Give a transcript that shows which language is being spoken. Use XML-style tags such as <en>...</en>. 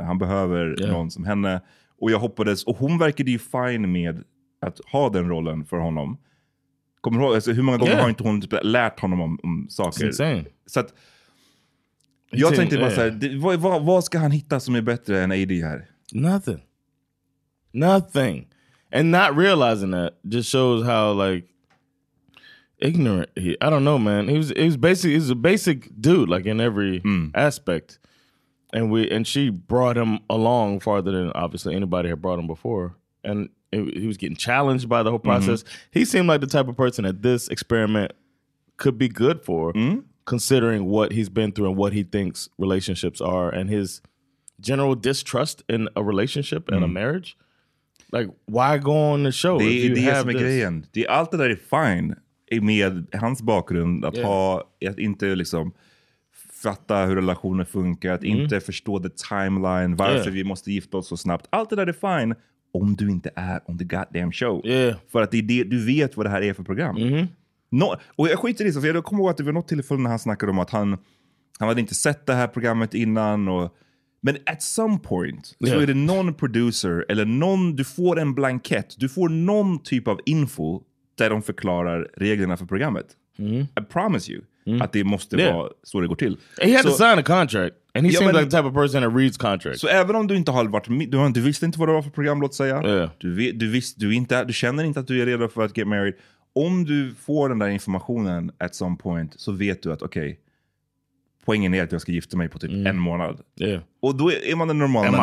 <sv>Han behöver någon som henne. Och jag hoppades, och hon verkade ju fine med att ha den rollen för honom. Kommer du ihåg, alltså, hur många gånger har inte hon typ lärt honom om saker? Så att, jag tänkte bara såhär, vad ska han hitta som är bättre än AD här?</sv> <en>Nothing. And not realizing that just shows how, like, ignorant he... I don't know, man. He was a basic dude, like, in every aspect. And she brought him along farther than, obviously, anybody had brought him before. And he was getting challenged by the whole process. Mm-hmm. He seemed like the type of person that this experiment could be good for, considering what he's been through and what he thinks relationships are and his general distrust in a relationship and a marriage. Like, why go on the show?</en> <sv>Det är som är grejen. Det är allt det där är fine med hans bakgrund. Att inte liksom fatta hur relationer funkar. Att inte förstå</sv> <en>the timeline.</en> <sv>Varför vi måste gifta oss så snabbt. Allt det där är fine om du inte är</sv> <en>on the goddamn show. Yeah.</en> <sv>För att du vet vad det här är för program. Mm-hmm. Och jag skiter i det. För jag kommer ihåg att det var något tillfälle när han snackade om att han hade inte sett det här programmet innan och... Men</sv> <en>at some point</en> <sv>så är det någon producer eller någon, du får en blankett, du får någon typ av info där de förklarar reglerna för programmet. Mm.</sv> <en>I promise you</en> <sv>att det måste vara så det går till.</sv> <en>And he had to sign a contract and he seems like the type of person that reads contracts.</en> <sv>Så även om du inte har varit med, du visste inte vad det var för program, låt säga.</sv> <en>Yeah.</en> <sv>Du känner inte att du är redo för att</sv> <en>get married.</en> <sv>Om du får den där informationen</sv> <en>at some point</en> <sv>så vet du att okej. Okay, poängen är att jag ska gifta mig på typ en månad.</sv> <en>Yeah.</en> <sv>Och då är man den normala.</sv>